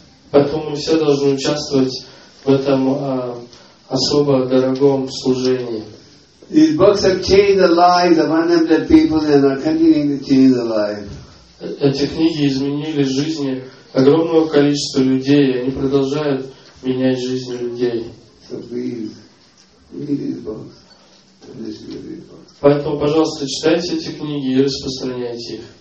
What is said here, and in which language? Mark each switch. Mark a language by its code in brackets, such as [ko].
[ru] Поэтому мы все должны участвовать в этом особо дорогом служении. [en] These books have changed the lives of unemployed people and are continuing to change the lives. [ru] Эти книги изменили жизни огромного количества людей, и они продолжают менять жизни людей. [en] So please, read these books. [ru] Поэтому, пожалуйста, читайте эти книги и распространяйте их.